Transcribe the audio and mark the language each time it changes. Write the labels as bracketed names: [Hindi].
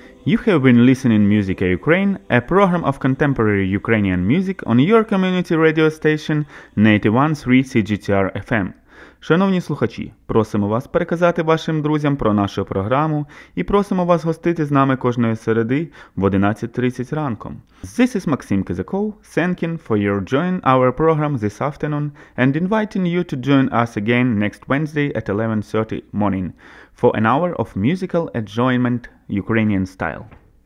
[English] You have been listening Musica Ukraine, a program of contemporary Ukrainian music on your community radio station 91.3 CGTR FM. [Ukrainian] Шановні слухачі, просимо вас переказати вашим друзям про нашу програму і просимо вас гостити з нами кожної середи в 11.30 ранком. [English] This is Maxim Kizakov, thanking for your joining our program this afternoon and inviting you to join us again next Wednesday at 11.30 morning for an hour of musical enjoyment Ukrainian style.